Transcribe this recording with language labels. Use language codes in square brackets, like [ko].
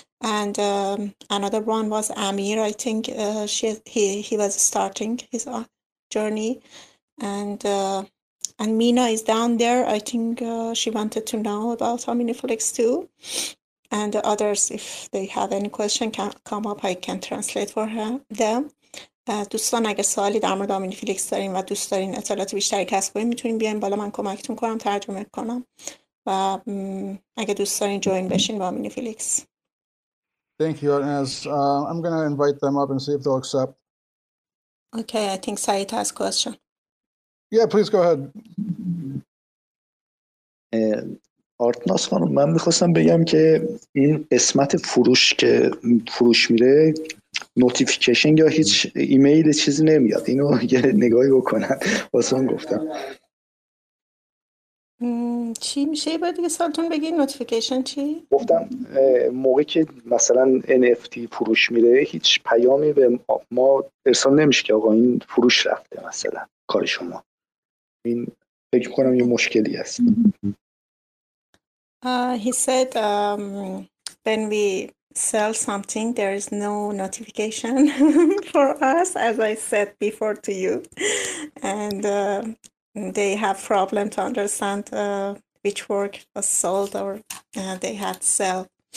[en] And another one was Amir. I think he was starting his journey, and Mina is down there. I think she wanted to know about OmniFlix too. And the others, if they have any question, can come up. I can translate for them. [fa] دوستان اگر سوالی در مورد OmniFlix دارین و دوست دارین اطلاعات بیشتری کسب کنین، میتونین بیاین بالا، من کمکتون کنم، ترجمه کنم. و اگر دوست دارین جوین بشین با OmniFlix. [en] Thank you, Arnaz. I'm going to invite them up and see if they'll accept. Okay, I think Said has a question. Yeah, please go ahead. [fa] آرتناس خانم، من میخواستم بگم که این قسمت فروش که فروش میره نوتیفیکیشن یا هیچ ایمیل چیزی نمیاد، اینو یه نگاهی بکنن واسه هم گفتم. چی میشه باید دیگه سالتون بگی نوتیفیکیشن چی؟ گفتم موقعی که مثلا NFT فروش میره هیچ پیامی به ما ارسال نمیشه که آقا این فروش رفته مثلا کار شما، این فکر کنم یه مشکلی هست. [en] He said when we sell something, there is no notification for us, as I said before to you. And they have problem to understand which work was sold or they had sell.